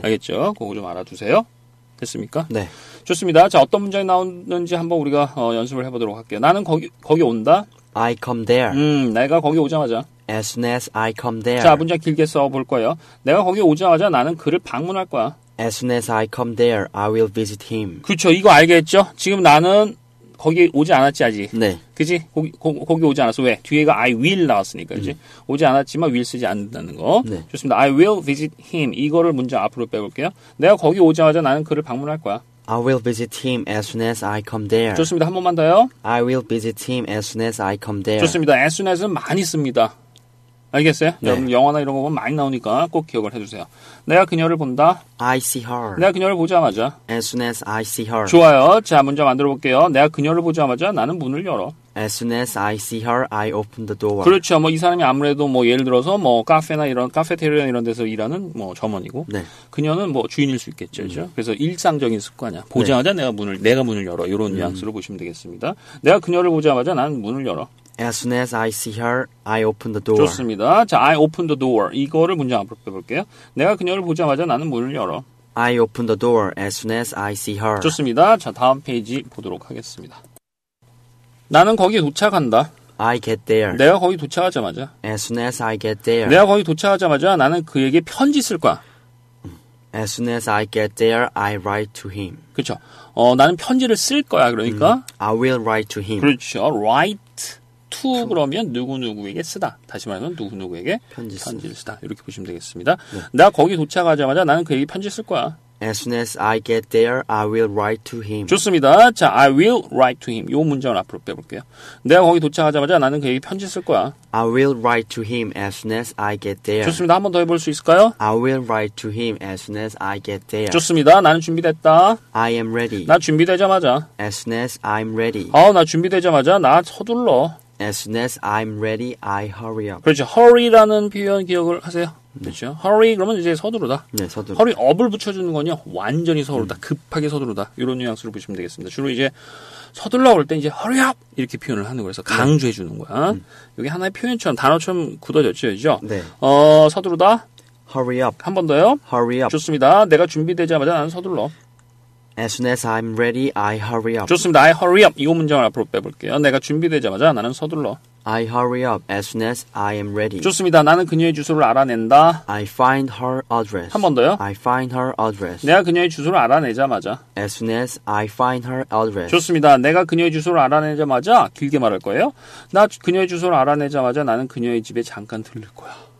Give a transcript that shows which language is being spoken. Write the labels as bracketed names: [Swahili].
[Korean] 알겠죠? 그거 좀 알아두세요. 됐습니까? 네. 좋습니다. 자, 어떤 문장이 나오는지 한번 우리가 연습을 해보도록 할게요. 나는 거기 온다. [English] I come there. [Korean] 내가 거기 오자마자. [English] As soon as I come there. [Korean] 자, 문장 길게 써볼 거예요. 내가 거기 오자마자 나는 그를 방문할 거야. [English] As soon as I come there, I will visit him. [Korean] 그렇죠. 이거 알겠죠? 지금 나는 거기 오지 않았지, 아직. 네. 그지? 거기 오지 않았어. 왜? 뒤에가 I will 나왔으니까. 그지? 오지 않았지만 will 쓰지 않는다는 거. 네. 좋습니다. [English] I will visit him. [Korean] 이거를 문장 앞으로 빼볼게요. 내가 거기 오자마자 나는 그를 방문할 거야. [English] I will visit him as soon as I come there. [Korean] 좋습니다. 한 번만 더요. [English] I will visit him as soon as I come there. [Korean] 좋습니다. As soon as는 많이 씁니다. 알겠어요? 네. 여러분 영화나 이런 거 보면 많이 나오니까 꼭 기억을 해주세요. 내가 그녀를 본다. [English] I see her. [Korean] 내가 그녀를 보자마자. [English] As soon as I see her. [Korean] 좋아요. 자, 문장 만들어 볼게요. 내가 그녀를 보자마자 나는 문을 열어. [English] As soon as I see her, I open the door. [Korean] 그렇죠. 뭐 이 사람이 아무래도 뭐 예를 들어서 뭐 카페나 이런 카페테리아 이런 데서 일하는 뭐 점원이고. 네. 그녀는 뭐 주인일 수 있겠죠. 그렇죠? 그래서 일상적인 습관이야. 보자마자 네. 내가 문을 열어. 이런 뉘앙스로 보시면 되겠습니다. 내가 그녀를 보자마자 나는 문을 열어. [English] As soon as I see her, I open the door. [Korean] 좋습니다. 자, [English] I open the door. [Korean] 이거를 문장 앞으로 빼볼게요. 내가 그녀를 보자마자 나는 문을 열어. [English] I open the door as soon as I see her. [Korean] 좋습니다. 자, 다음 페이지 보도록 하겠습니다. 나는 거기 도착한다. [English] I get there. [Korean] 내가 거기 도착하자마자. [English] As soon as I get there. [Korean] 내가 거기 도착하자마자 나는 그에게 편지 쓸 거야. [English] As soon as I get there, I write to him. [Korean] 그렇죠. 나는 편지를 쓸 거야. 그러니까. [English] I will write to him. [Korean] 그렇죠. Write. To 그러면 누구누구에게 쓰다. 다시 말하면 누구누구에게 편지를 쓰다. 이렇게 보시면 되겠습니다. 네. 나 거기 도착하자마자 나는 그에게 편지 쓸 거야. [English] As soon as I get there, I will write to him. [Korean] 좋습니다. 자, [English] I will write to him. [Korean] 이 문장을 앞으로 빼볼게요. 내가 거기 도착하자마자 나는 그에게 편지 쓸 거야. [English] I will write to him as soon as I get there. [Korean] 좋습니다. 한 번 더 해볼 수 있을까요? [English] I will write to him as soon as I get there. [Korean] 좋습니다. 나는 준비됐다. [English] I am ready. [Korean] 나 준비되자마자. [English] As soon as I'm ready. [Korean] 나 준비되자마자 나 서둘러. [English] As soon as I'm ready, I hurry up. [Korean] 그렇죠. Hurry라는 표현 기억을 하세요. 그렇죠. Hurry 그러면 이제 서두르다. 네, 서두르. Hurry up을 붙여주는 건요. 완전히 서두르다. 급하게 서두르다. 이런 뉘앙스로 보시면 되겠습니다. 주로 이제 서둘러 올 때 이제 hurry up 이렇게 표현을 하는 거예요. 그래서 강조해 주는 거야. 이게 하나의 표현처럼 단어처럼 굳어졌죠, 그렇죠? 네. 서두르다. [English] Hurry up. [Korean] 한 번 더요. [English] Hurry up. [Korean] 좋습니다. 내가 준비되자마자 나는 서둘러. [English] As soon as I'm ready, I hurry up. [Korean] 좋습니다. [English] I hurry up. [Korean] 이 문장을 앞으로 빼볼게요. 내가 준비되자마자 나는 서둘러. [English] I hurry up as soon as I am ready. [Korean] 좋습니다. 나는 그녀의 주소를 알아낸다. [English] I find her address. [Korean] 한 번 더요. [English] I find her address. [Korean] 내가 그녀의 주소를 알아내자마자. [English] As soon as I find her address. [Korean] 좋습니다. 내가 그녀의 주소를 알아내자마자 길게 말할 거예요. 나 그녀의 주소를 알아내자마자 나는 그녀의 집에 잠깐 들를 거야.